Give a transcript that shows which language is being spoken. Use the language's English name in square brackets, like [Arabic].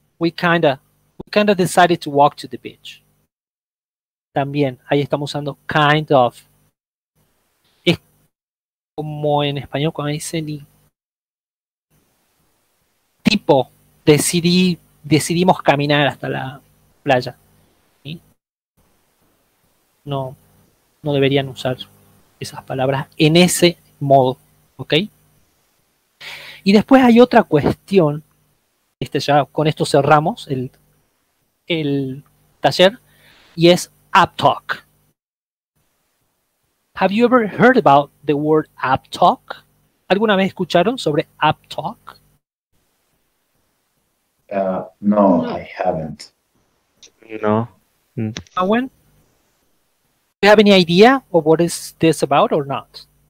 [English] We kind of decided to walk to the beach. [Spanish] También, ahí estamos usando kind of. Es como en español cuando dicen tipo, decidimos caminar hasta la playa. ¿Sí? No deberían usar esas palabras en ese modo, ¿ok? Y después hay otra cuestión, ya con esto cerramos el taller, y es aptalk. [English] Have you ever heard about the word aptalk? [Spanish] ¿Alguna vez escucharon sobre aptalk? [English] No, I haven't. No. Owen, do you have any idea of what is this about or not?